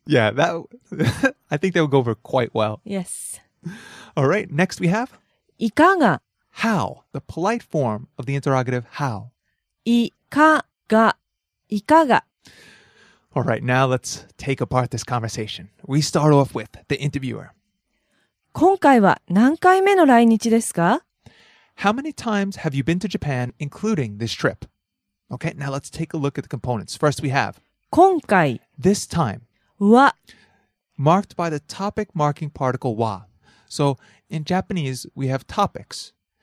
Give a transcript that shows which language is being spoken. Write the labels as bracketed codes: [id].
[en] Yeah, that, I think that would go over quite well. Yes. All right, next we have? [ja] いかが? [en] How, the polite form of the interrogative how. [ja] いかが、いかが。 [en] All right, now let's take apart this conversation. We start off with the interviewer. [ja] 今回は何回目の来日ですか? [en] How many times have you been to Japan, including this trip? Okay, now let's take a look at the components. First we have [ja] 今回 [en] This time [ja] は [en] Marked by the topic marking particle wa. So in Japanese, we have topics.